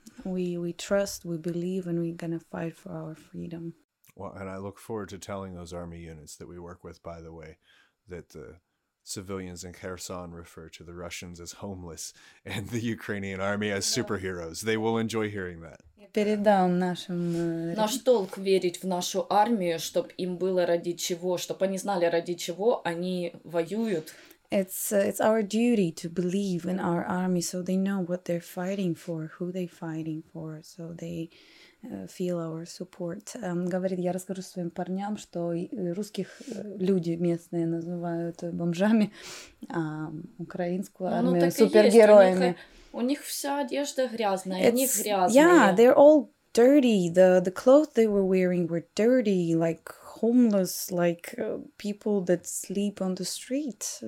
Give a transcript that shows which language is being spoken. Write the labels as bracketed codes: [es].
[en] We trust, we believe, and we're gonna fight for our freedom. Well, and I look forward to telling those army units that we work with, by the way, that the civilians in Kherson refer to the Russians as homeless and the Ukrainian army as superheroes. They will enjoy hearing that. [uk] Передам нашим наш долг вірити в нашу армію, щоб їм було раді чого, щоб вони знали раді чого вони воюють. [en] It's our duty to believe in our army so they know what they're fighting for, who they're fighting for, so they feel our support. [ru] Говорит, я расскажу своим парням, что русских люди местные называют бомжами, а украинскую армию супергероями. У них вся одежда грязная, они грязные. [en] Yeah, they're all dirty. The clothes they were wearing were dirty, like homeless, like people that sleep on the street.